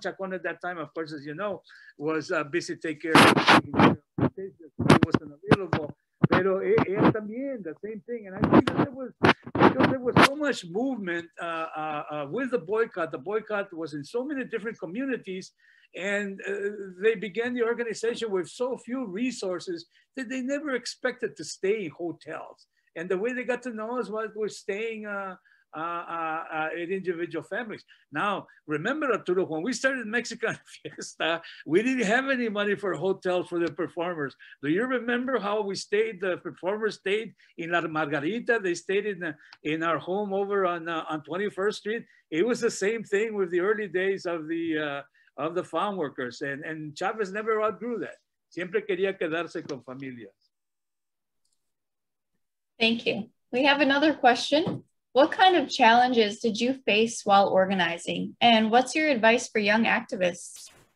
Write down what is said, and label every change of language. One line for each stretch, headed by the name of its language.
English: Chacon at that time, of course, as you know, was busy taking care of Lutecia. She wasn't available.
Spanish: Pero él también,
English: the same thing. And I think that there was so much movement with the boycott. The boycott was in so many different communities, and they began the organization with so few resources that they never expected to stay in hotels. And the way they got to know us was we're staying in individual families. Now, remember, Arturo, when we started Mexican Fiesta, we didn't have any money for hotels for the performers. Do you remember how we stayed? The performers stayed in La Margarita. They stayed in our home over on 21st Street. It was the same thing with the early days of the farm workers. And Chavez never outgrew that.
Spanish: Siempre quería quedarse con familias.
English: Thank you. We have another question. What kind of challenges did you face while organizing? And what's your advice for young activists?